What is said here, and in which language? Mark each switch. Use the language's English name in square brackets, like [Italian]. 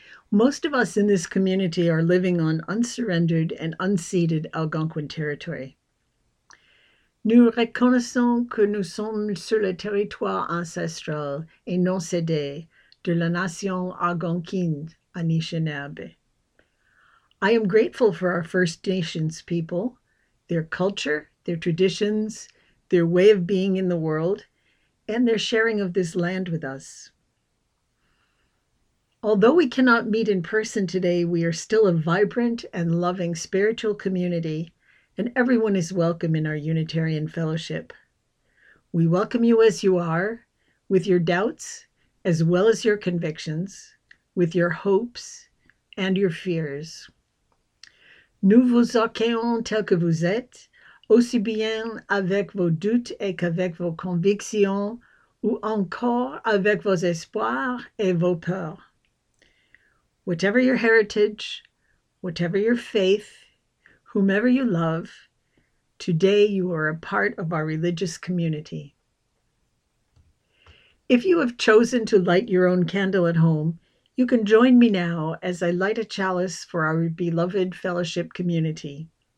[English] Most of us in this community are living on unsurrendered and unceded Algonquin territory. [French] Nous reconnaissons que nous sommes sur le territoire ancestral et non cédé de la nation Algonquine Anishinaabe. [English] I am grateful for our First Nations people, their culture, their traditions, their way of being in the world, and their sharing of this land with us. Although we cannot meet in person today, we are still a vibrant and loving spiritual community, and everyone is welcome in our Unitarian Fellowship. We welcome you as you are, with your doubts, as well as your convictions, with your hopes and your fears. [French] Nous vous accueillons tel que vous êtes, aussi bien avec vos doutes et qu'avec vos convictions, ou encore avec vos espoirs et vos peurs. [English] Whatever your heritage, whatever your faith, whomever you love, today you are a part of our religious community. If you have chosen to light your own candle at home, you can join me now as I light a chalice for our beloved fellowship community.